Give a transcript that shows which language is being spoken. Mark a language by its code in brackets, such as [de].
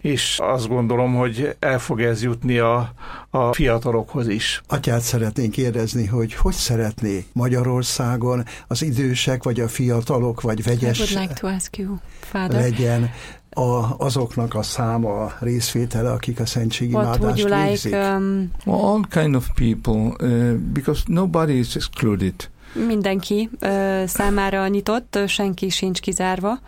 [hu] És azt gondolom, hogy el fog ez jutni a fiatalokhoz is. Atyát szeretnénk kérdezni, hogy szeretné Magyarországon az idősek, vagy a fiatalok, vagy vegyes legyen azoknak a száma részvétele, akik a szentségi imádást végzik. [en] Well, all kind of people, because nobody is excluded. [hu] Mindenki számára nyitott, senki sincs kizárva.